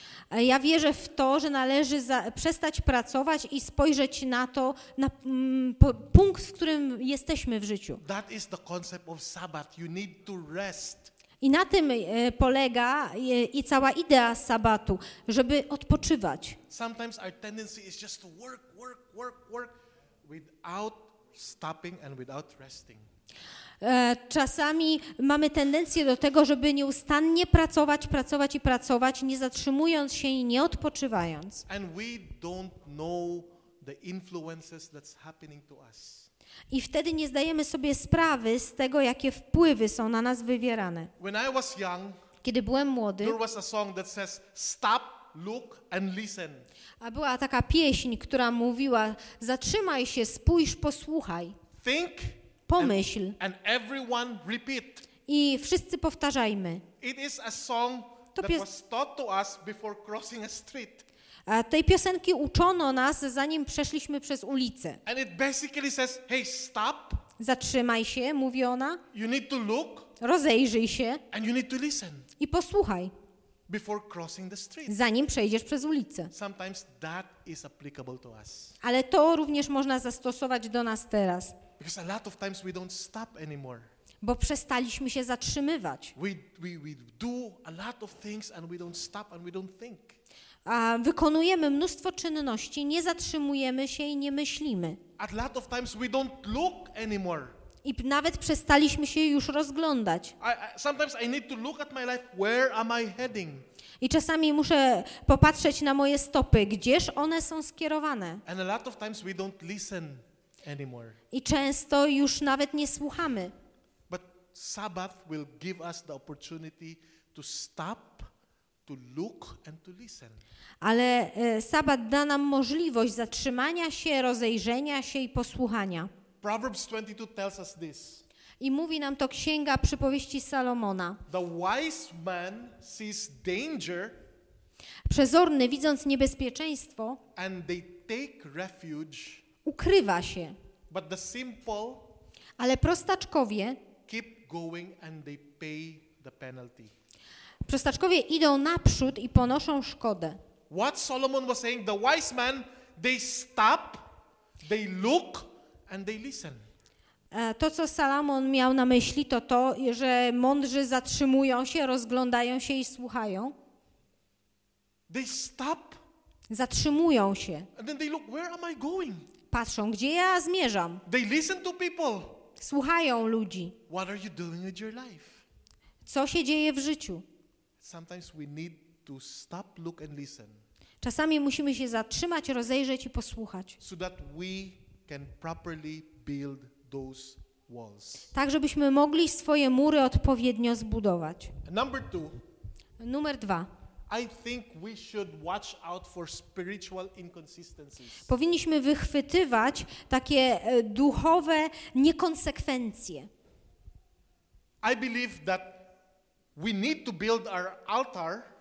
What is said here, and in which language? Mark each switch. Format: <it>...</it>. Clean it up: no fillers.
<pl>Ja wierzę w to, że należy przestać pracować i spojrzeć na to, na punkt, w którym jesteśmy w życiu.</pl> <en>That is the concept of Sabbath. You need to rest.</en> <pl>I na tym polega i cała idea sabatu, żeby odpoczywać.</pl> <en>Sometimes our tendency is just to work without stopping and without resting.</en> <pl>Czasami mamy tendencję do tego, żeby nieustannie pracować i pracować, nie zatrzymując się i nie odpoczywając.</pl> <en>And we don't know the influences that's happening to us.</en> <pl>I wtedy nie zdajemy sobie sprawy z tego, jakie wpływy są na nas wywierane.</pl> <en>When I was young,</en> <pl>kiedy byłem młody,</pl> <en>there was a song that says, stop, look and listen.</en> <pl>A była taka pieśń, która mówiła, zatrzymaj się, spójrz, posłuchaj.</pl> <en>Think.</en> <pl>Pomyśl.</pl> <en>And everyone repeat.</en> <pl>I wszyscy powtarzajmy.</pl> <en>It is a song that was taught to us before crossing a street.</en> <pl>A tej piosenki uczono nas, zanim przeszliśmy przez ulicę.</pl> <en>And it basically says, hey, stop.</en> <pl>Zatrzymaj się, mówi ona.</pl> <en>You need to look.</en> <pl>Rozejrzyj się.</pl> <en>And you need to listen.</en> <pl>I posłuchaj.</pl> <en>Before crossing the street.</en> <pl>Zanim przejdziesz przez ulicę.</pl> <en>Sometimes that is applicable to us.</en> <pl>Ale to również można zastosować do nas teraz.</pl> <en>Because a lot of times we don't stop anymore.</en> <pl>Bo przestaliśmy się zatrzymywać.</pl> <en>We do a lot of things and we don't stop and we don't think.</en> <pl>Wykonujemy mnóstwo czynności, nie zatrzymujemy się i nie myślimy.</pl> <en>A lot of times we don't look anymore.</en> <pl>I nawet przestaliśmy się już rozglądać.</pl> <en>Sometimes I need to look at my life, where am I heading?</en> <pl>I czasami muszę popatrzeć na moje stopy, gdzież one są skierowane.</pl> <en>And a lot of times we don't listen. Anymore.</en> <pl>I często już nawet nie słuchamy.</pl> <en>But Sabbath will give us the opportunity to stop, to look and to listen.</en> <pl>Ale Sabbat da nam możliwość zatrzymania się, rozejrzenia się i posłuchania.</pl> <en>Proverbs 22 tells us this.</en> <pl>I mówi nam to Księga Przypowieści Salomona.</pl> <en>The wise man sees danger.</en> <pl>Przezorny widząc niebezpieczeństwo.</pl> <en>And they take refuge.</en> <pl>Ukrywa się.</pl> <en>But the simple,</en> <pl>ale prostaczkowie</pl> <en>keep going and they pay the penalty.</en> <pl>Prostaczkowie idą naprzód i ponoszą szkodę.</pl> <en>What Solomon was saying, the wise man, they stop, they look and they listen.</en> <pl>To, co Salomon miał na myśli, to to, że mądrzy zatrzymują się, rozglądają się i słuchają.</pl> <en>They stop.</en> <pl>Zatrzymują się.</pl> <en>And then they look, where am I going?</en> <pl>Patrzą, gdzie ja zmierzam.</pl> <en>They listen to people.</en> <pl>Słuchają ludzi.</pl> <en>What are you doing with your life?</en> <pl>Co się dzieje w życiu?</pl> <en>Sometimes we need to stop, look and listen.</en> <pl>Czasami musimy się zatrzymać, rozejrzeć i posłuchać.</pl> <en>So that we can properly build those walls.</en> <pl>Tak, żebyśmy mogli swoje mury odpowiednio zbudować.</pl> <en>Number two.</en> <pl>Numer dwa.</pl> <en>I think we should watch out for spiritual inconsistencies.</en> <pl>Powinniśmy wychwytywać takie duchowe niekonsekwencje.</pl> <en>I believe that we need to build our altar.</en>